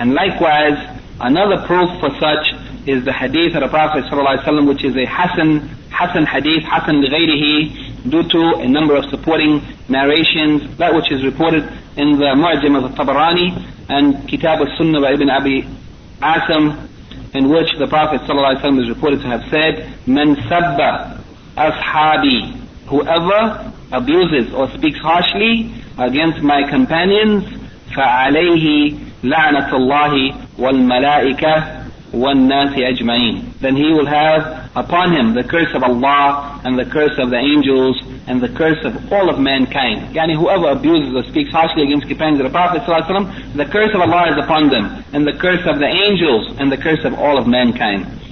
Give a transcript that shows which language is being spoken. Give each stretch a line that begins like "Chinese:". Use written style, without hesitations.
English: And likewise, another proof for such is the hadith of the Prophet sallallahu alaihi wasallam, which is a hasan hadith, hasan lighayrihi, due to a number of supporting narrations, that which is reported in the Mu'jam of Tabarani and Kitab al-Sunnah by Ibn Abi Asim, in which the Prophet sallallahu alaihi wasallam is reported to have said,
Arabic: "Man sabba ashabi,
English: whoever abuses or speaks harshly against my companions, fa'alayhi
Arabic: لعنة الله والملائكة والناس أجمعين.
English: Then he will have upon him the curse of Allah and the curse of the angels and the curse of all of mankind. Yani whoever abuses or speaks harshly against companions of the Prophet ﷺ, the curse of Allah is upon them, and the curse of the angels and the curse of all of mankind.